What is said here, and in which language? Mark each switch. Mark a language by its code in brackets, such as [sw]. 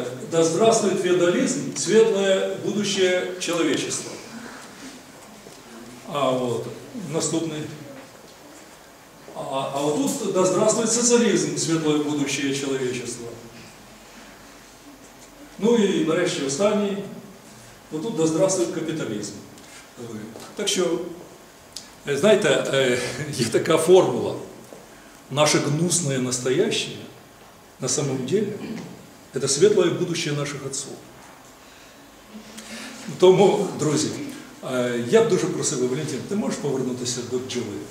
[ru] Да здравствует феодализм, светлое будущее человечества. А вот [uk] наступний. А отут [ru] да здравствует социализм, светлое будущее человечества. [uk] Ну і нарешті останній. Отут [ru] да здравствует [uk] капіталізм. Так що, знаєте, є така формула. [ru] Наше гнусне настояще на самом деле это светлое будущее наших отцов. [uk] Тому, друзі, я б дуже просив, Валентин, ти можеш повернутися до бджоли?